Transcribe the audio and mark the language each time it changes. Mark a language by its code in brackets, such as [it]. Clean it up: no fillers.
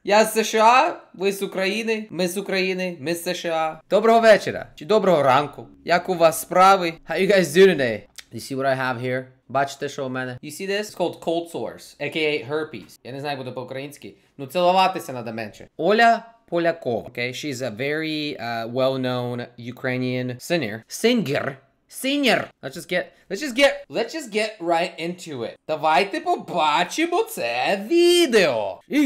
[uk] Я з США, ви з України, ми з України, ми з США. Доброго вечора чи доброго ранку. Як у вас справи? [en] How you guys doing today? You see what I have here? [uk] Бачите, що у мене? [en] You see this? It's called cold sores, aka herpes. [uk] Я не знаю, як буде по-українськи. Ну, цілуватися надо менше. [en] Оля Полякова. Okay, she's a very well-known Ukrainian singer. Singer. Let's just get right into it. [uk] Давайте побачимо це відео.